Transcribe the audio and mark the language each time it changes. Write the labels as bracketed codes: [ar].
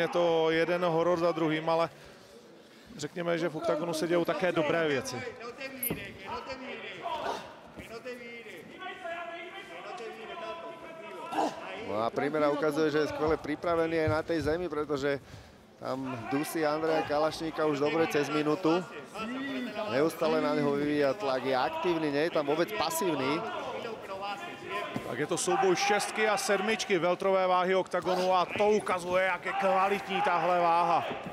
[cs] Je to jeden horor za druhým, ale řekněme, že v oktagonu se dějou také dobré věci. No a Primera ukazuje, že je skvěle připravený [sk] aj na tej zemi, protože tam dusí Andreja Kalašníka už dobre cez minutu. Neustále na neho vyvíja tlak, je aktívny, nie je tam vôbec pasívny. [cs] Tak je to souboj šestky a sedmičky veltrové váhy oktagonu a to ukazuje, jak je kvalitní tahle váha.